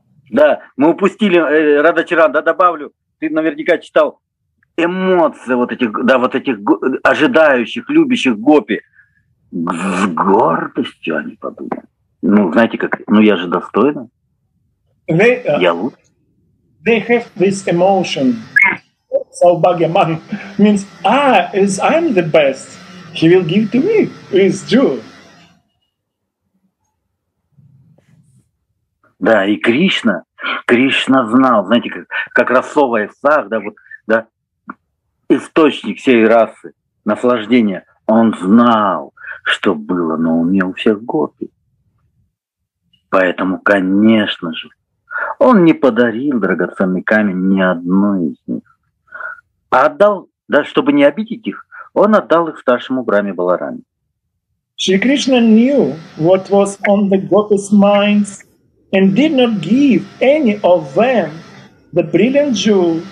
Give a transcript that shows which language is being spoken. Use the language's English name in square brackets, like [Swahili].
[Russian] Да, мы упустили, Рада Чаран, да, добавлю, ты наверняка читал эмоции вот этих, да, вот этих ожидающих, любящих гопи. С гордостью они подумали. Ну, знаете как, ну я же достойна. Я лучше. [English] They have this emotion. So Bhagyaman means, ah, is I'm the best. He will give to me, is Jew. [Russian] Да, и Кришна, Кришна знал, знаете, как расовая сах, да, вот, да, источник всей расы, наслаждения, он знал, что было на уме у всех гопи. Поэтому, конечно же, он не подарил драгоценный камень ни одной из них. А отдал, да, чтобы не обидеть их, он отдал их старшему Брахме Баларами. [English] Шри Кришна knew what was on the gopis minds. And did not give any of them the brilliant jewel.